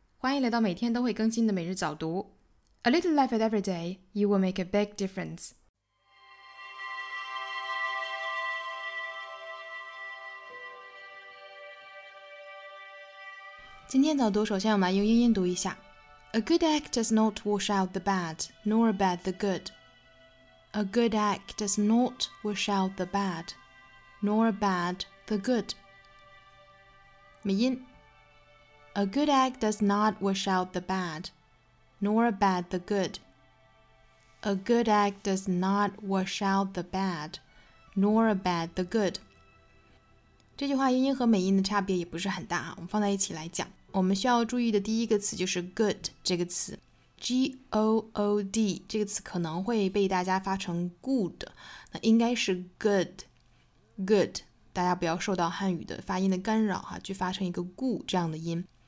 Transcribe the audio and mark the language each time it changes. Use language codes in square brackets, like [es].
[zh] 欢迎来到每天都会更新的每日早读。 [en] A little effort every day, you will make a big difference. [zh] 今天早读首先我们来用英音读一下。 [en] A good act does not wash out the bad, nor a bad the good. A good act does not wash out the bad, nor a bad the good. [zh] 美音。 [en] A good act does not wash out the bad, nor a bad the good. A good act does not wash out the bad, nor a bad the good. [zh] 这句话英音和美音的差别也不是很大，我们放在一起来讲。我们需要注意的第一个词就是 good 这个词 ,G-O-O-D, 这个词可能会被大家发成 good, 那应该是 good, 大家不要受到汉语的发音的干扰哈，去发成一个 good 这样的音。